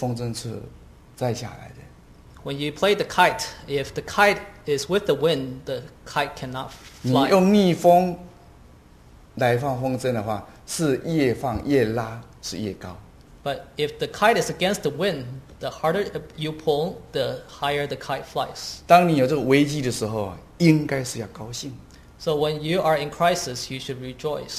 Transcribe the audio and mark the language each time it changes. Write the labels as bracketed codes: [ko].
[zh] 当你放风筝的时候啊，顺风，这个风筝是再下来的。 [en] When you play the kite, if the kite is with the wind, the kite cannot fly. [zh] 你用逆风来放风筝的话，是越放越拉，是越高。 [en] But if the kite is against the wind, the harder you pull, the higher the kite flies. [zh] 当你有这个危机的时候，应该是要高兴。 [en] So when you are in crisis, you should rejoice.